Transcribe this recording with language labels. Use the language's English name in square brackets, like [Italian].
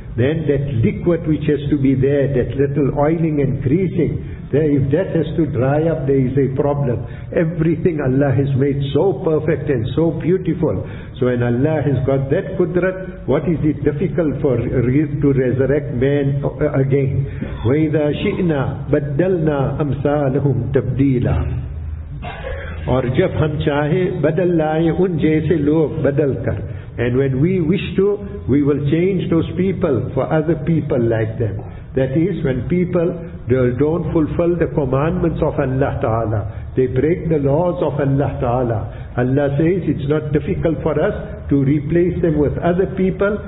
[English] Then that liquid which has to be there, that little oiling and greasing, there, if that has to dry up, there is a problem. Everything Allah has made so perfect and so beautiful. So when Allah has got that qudrat, what is it difficult to resurrect man again? [Arabic] وَإِذَا شِئْنَا بَدَّلْنَا أَمْثَالَهُمْ تَبْدِيلًا, [Urdu] اور جب ہم چاہے بدل لائے ان جیسے لوگ بدل کر. [English] And when we wish to, we will change those people for other people like them. That is, when people don't fulfill the commandments of Allah Ta'ala, they break the laws of Allah Ta'ala. Allah says it's not difficult for us to replace them with other people.